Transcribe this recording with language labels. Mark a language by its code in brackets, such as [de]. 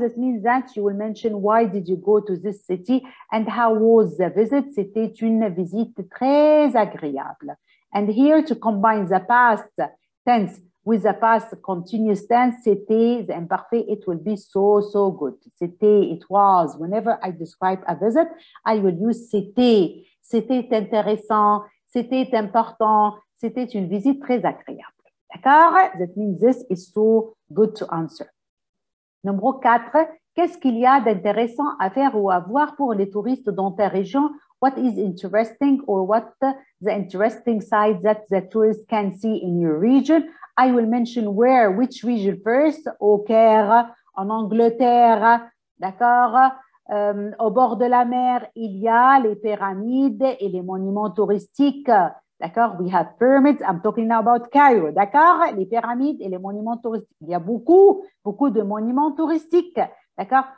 [en] This means that you will mention why did you go to this city and how was the visit? [fr] C'était une visite très agréable. [en] And here to combine the past tense with the past continuous tense, c'était, the imparfait, it will be so, so good. C'était, it was. Whenever I describe a visit, I will use c'était. [fr] C'était intéressant, c'était important, c'était une visite très agréable. D'accord? [en] That means this is so good to answer. [fr] Numéro 4, qu'est-ce qu'il y a d'intéressant à faire ou à voir pour les touristes dans ta région? [en] What is interesting or what the interesting side that the tourists can see in your region? I will mention where, which region first, [fr] au Caire, en Angleterre, d'accord? Au bord de la mer, il y a les pyramides et les monuments touristiques, d'accord? [en] We have pyramids, I'm talking now about Cairo, [fr] d'accord? Les pyramides et les monuments touristiques, il y a beaucoup, beaucoup de monuments touristiques, d'accord?